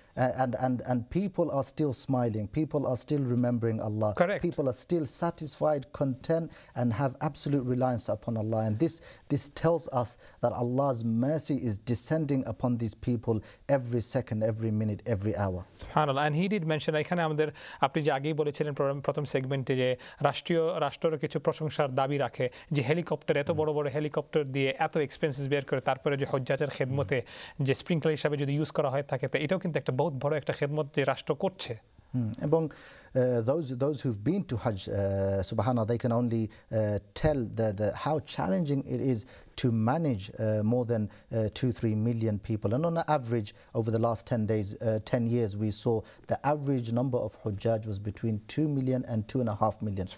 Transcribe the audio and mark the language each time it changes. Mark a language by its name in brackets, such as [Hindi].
[English] And people are still smiling. People are still remembering Allah. Correct. People are still satisfied, content, and have absolute reliance upon Allah. And this tells us that Allah's mercy is descending upon these people every second, every minute, every hour. Subhanallah. And he did mention, [Bangla] এখানে আমাদের আপনি যে আগেই বলেছিলেন প্রথম সেগমেন্টে যে রাষ্ট্র কিছু প্রশংসার দাবি রাখে যে হেলিকপ্টার এত বড় বড় হেলিকপ্টার দিয়ে এত এক্সপেন্সিস বিয়ার করে তারপরে যে হজ্জাজের খেদমতে যে স্প্রিংকলার হিসাবে যদি ইউজ করা হয় থাকে তো এটাও কিন্তু একটা বহুত বড় একটা খেদমত যে রাষ্ট্র করছে [English] এবং those who've been to Hajj, subhanAllah, they can only tell the how challenging it is to manage more than 2-3 million people. And on average, over the last 10 years, we saw the average number of Hujjaj was between 2 million and 2.5 million.